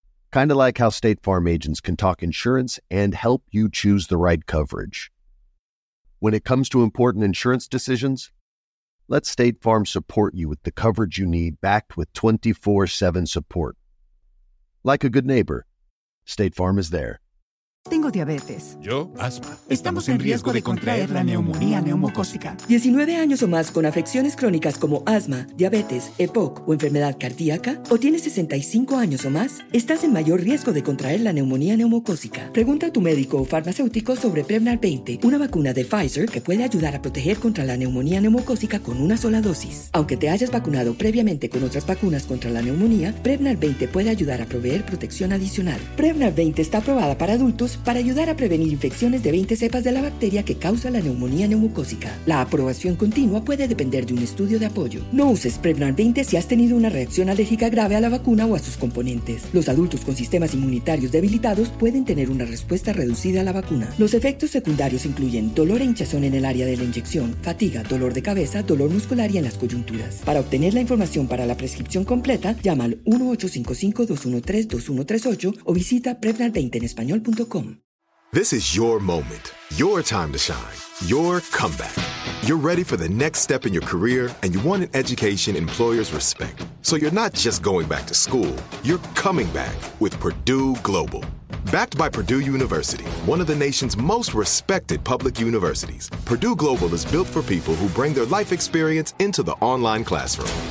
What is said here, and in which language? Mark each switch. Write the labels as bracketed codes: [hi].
[en] Kind of like how State Farm agents can talk insurance and help you choose the right coverage. When it comes to important insurance decisions, let State Farm support you with the coverage you need backed with 24/7 support. Like a good neighbor, State Farm is there. [es] Tengo diabetes. Yo, asma. Estamos en riesgo de contraer la neumonía neumocócica. 19 años o más con afecciones crónicas como asma, diabetes, EPOC o enfermedad cardíaca, o tienes 65 años o más, estás en mayor riesgo de contraer la neumonía neumocócica. Pregunta a tu médico o farmacéutico sobre Prevnar 20, una vacuna de Pfizer que puede ayudar a proteger contra la neumonía neumocócica con una sola dosis. Aunque te hayas vacunado previamente con otras vacunas contra la neumonía, Prevnar 20 puede ayudar a proveer protección adicional. Prevnar 20 está aprobada para adultos para ayudar a prevenir infecciones de 20 cepas de la bacteria que causa la neumonía neumocócica. La aprobación continua puede depender de un estudio de apoyo. No uses Prevnar 20 si has tenido una reacción alérgica grave a la vacuna o a sus componentes. Los adultos con sistemas inmunitarios debilitados pueden tener una respuesta reducida a la vacuna. Los efectos secundarios incluyen dolor e hinchazón en el área de la inyección, fatiga, dolor de cabeza, dolor muscular y en las coyunturas. Para obtener la información para la prescripción completa, llama al 1-855-213-2138 o visita Prevnar20enespañol.com. [en] This is your moment, your time to shine, your comeback. You're ready for the next step in your career, and you want an education employers respect. So you're not just going back to school. You're coming back with Purdue Global. Backed by Purdue University, one of the nation's most respected public universities, Purdue Global is built for people who bring their life experience into the online classroom.